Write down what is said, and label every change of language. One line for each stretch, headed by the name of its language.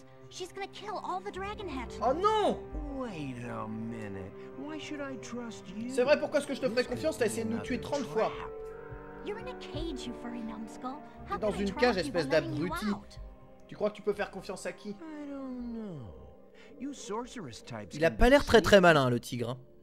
English: She's gonna kill all the dragon heads.
French: Oh non!
English: Wait a minute. Why should I trust you?
French: C'est vrai, pourquoi est-ce que je te ferais confiance? T'as essayé de nous tuer 30 fois.
English: You're in a cage, you furry numbskull.
French: T'es dans une cage, espèce d'abruti. Tu crois que tu peux faire confiance à qui?
English: I don't know. You sorceress types.
French: Il a pas l'air très très malin, le tigre.